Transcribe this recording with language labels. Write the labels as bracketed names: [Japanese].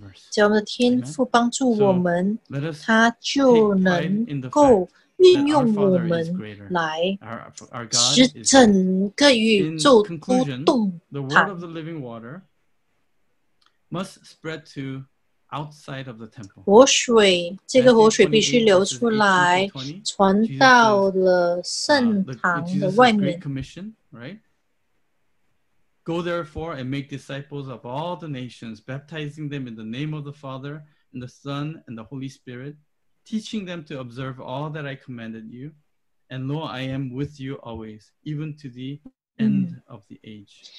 [Chinese] 只要我们的天父帮助我们，他就能够运用我们来使整个宇宙都动弹。 [English] The word of the living water must spread to outside of the temple. [Chinese] 活水，这个活水必须流出来，传到了圣堂的外面。 [English] Jesus' great commission, right? Go therefore and make disciples of all the nations, baptizing them in the name of the Father and the Son and the Holy Spirit. Teaching them to observe all that I commanded you, and lo, I am with you always, even to the end of the age.